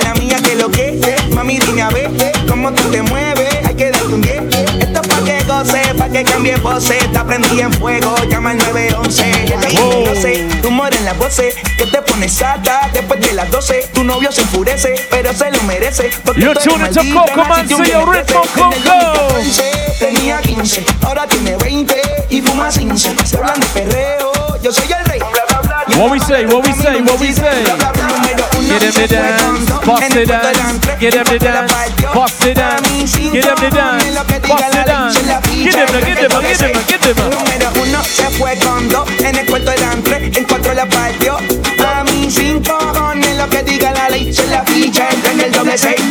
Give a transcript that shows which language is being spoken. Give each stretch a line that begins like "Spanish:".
Spanish: La mía que lo que es. Mami, dime a ver cómo tú te mueves. Hay que darte un diez. Esto es pa' que goce, pa' que cambie pose. Te aprendí en fuego. Llama al 911. Rumor en las voces, que te pones sata después de las 12. Tu novio se enfurece, pero se lo merece.
English: You're tuned into Coco Mancilla, RITMO COCO.
Spanish: Tenía 15, ahora tiene 20 y fuma 15. Se hablan de perreo, yo soy el rey.
English: What we say, what we say, what we say. Get him to dance, bust it down. Get him to dance, bust it down. Get him to dance, bust it down. Get him to dance, get him to dance. Get him to, get him to, get him to.
Spanish: Número uno se fue con dos. En el cuarto eran tres, en cuatro la partió. A mí sin cojones lo que diga la ley. Se la ficha en el doble seis.